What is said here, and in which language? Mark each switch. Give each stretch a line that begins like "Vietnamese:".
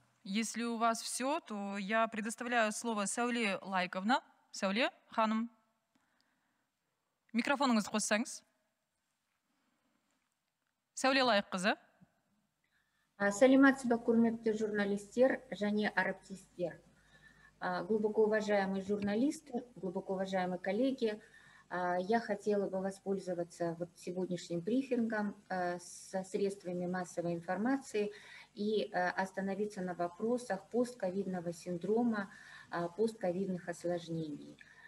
Russian: Если у вас все, то я предоставляю слово Сәуле Лайыққызына.
Kazakh: Сәуле ханым, микрофоныңызды қоссаңыз. Сәуле Лайыққызы. Сәлематсіз бе, құрметті журналистер және әріптестер.
Russian: Глубоко уважаемые журналисты, глубоко уважаемые коллеги, я хотела бы воспользоваться вот сегодняшним брифингом со средствами массовой информации и остановиться на вопросах постковидного синдрома, постковидных осложнений.